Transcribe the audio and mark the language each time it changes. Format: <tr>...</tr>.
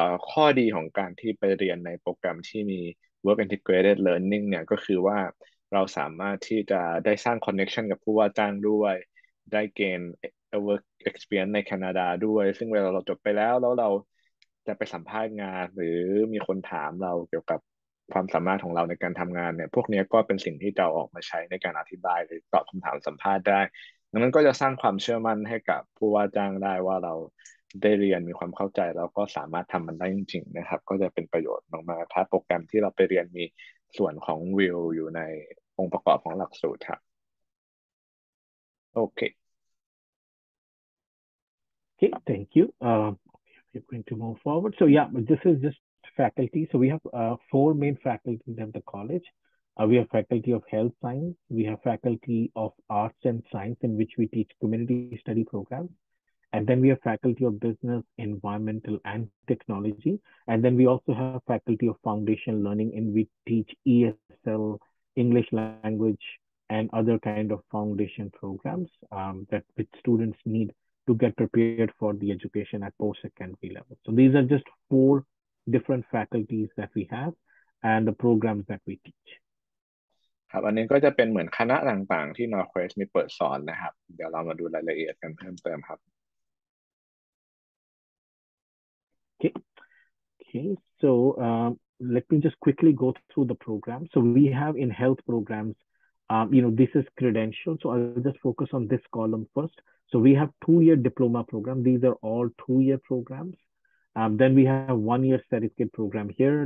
<th>ข้อดีของการที่ไปเรียนในโปรแกรมที่มี Work Integrated Learning เนี่ยก็คือว่าเราสามารถที่จะได้สร้างคอนเนคชันกับผู้ว่าจ้างด้วยได้เกณฑ์ Work Experience ในแคนาดาด้วยซึ่งเวลาเราจบไปแล้วแล้วเราจะไปสัมภาษณ์งานหรือมีคนถามเราเกี่ยวกับความสามารถของเราในการทำงานเนี่ยพวกนี้ก็เป็นสิ่งที่เราออกมาใช้ในการอธิบายหรือตอบคำถามสัมภาษณ์ได้ดังนั้นก็จะสร้างความเชื่อมั่นให้กับผู้ว่าจ้างได้ว่าเรา ได้เรียนมีความเข้าใจแล้วก็สามารถทำมันได้จริงๆนะครับก็จะเป็นประโยชน์มากๆถ้าโปรแกรมที่เราไปเรียนมีส่วนของวิวอยู่ในองค์ประกอบของหลักสูตรครับโอเค</th> <en>Okay, thank you. We're going to move forward. So yeah, this is just faculty. So we have four main faculty in the college. We have faculty of health science. We have faculty of arts and science in which we teach community study programs. And then we have faculty of business, environmental and technology. And then we also have faculty of foundation learning in which we teach ESL, English language and other kind of foundation programs that which students need. To get prepared for the education at post-secondary level. So these are just four different faculties that we have and the programs that we teach.</en> <th>ครับอันนี้ก็จะเป็นเหมือนคณะต่างๆที่ NorQuest มีเปิดสอนนะครับเดี๋ยวเรามาดูรายละเอียดกันเพิ่มเติมครับ</th> <en>Okay. So let me just quickly go through the program. So we have in health programs, you know, this is credential. So I'll just focus on this column first. So we have two-year diploma program. These are all two-year programs. Then we have one-year certificate program here.</en>